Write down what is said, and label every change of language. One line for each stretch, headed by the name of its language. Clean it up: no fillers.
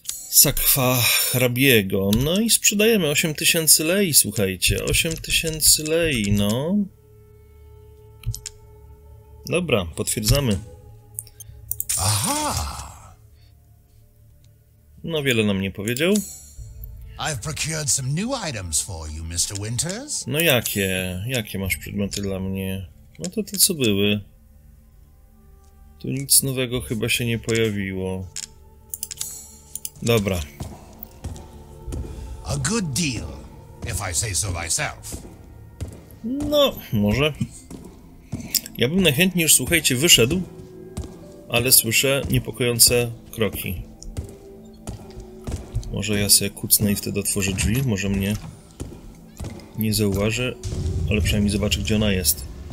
Polish: Sakwa hrabiego. No i sprzedajemy 8000 lei, słuchajcie. 8000 lei, no. Dobra, potwierdzamy. Aha! No, wiele nam nie powiedział.
English: I've procured some new items for you, Mr. Winters.
Polish: No jakie? Jakie masz przedmioty dla mnie? No to te, co były. Tu nic nowego chyba się nie pojawiło. Dobra.
English: A good deal, if I say so myself.
Polish: No, może. Ja bym najchętniej już, słuchajcie, wyszedł, ale słyszę niepokojące kroki. Może ja sobie kucnę i wtedy otworzę drzwi, może mnie nie zauważy, ale przynajmniej zobaczę, gdzie ona jest.